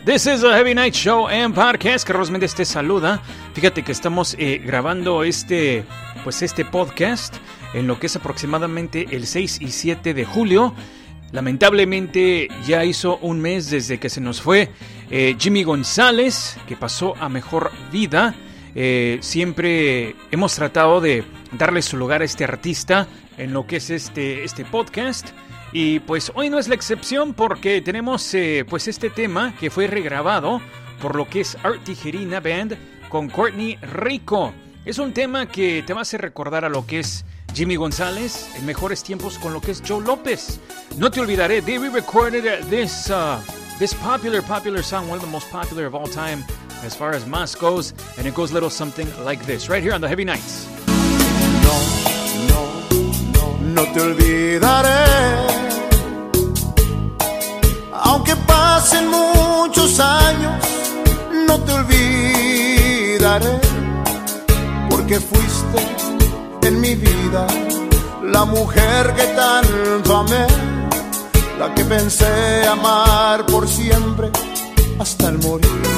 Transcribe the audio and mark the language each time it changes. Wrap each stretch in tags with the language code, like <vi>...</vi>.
<en>This is a Heavy Night Show and Podcast.</en> <es>Carlos Méndez te saluda. Fíjate que estamos grabando este podcast en lo que es aproximadamente el 6 y 7 de julio. Lamentablemente ya hizo un mes desde que se nos fue Jimmy González, que pasó a mejor vida. Siempre hemos tratado de darle su lugar a este artista en lo que es este podcast. Y pues hoy no es la excepción, porque tenemos este tema que fue regrabado por lo que es Art Tijerina Band con Courtney Rico. Es un tema que te va a hacer recordar a lo que es Jimmy González en mejores tiempos con lo que es Joe López.</es> <en>No te olvidaré, they re-recorded this popular song, one of the most popular of all time as far as mass goes, and it goes a little something like this, right here on the Heavy Nights.</en> <es>No, no, no, no te olvidaré, aunque pasen muchos años, no te olvidaré, porque fuiste en mi vida la mujer que tanto amé, la que pensé amar por siempre hasta el morir.</es>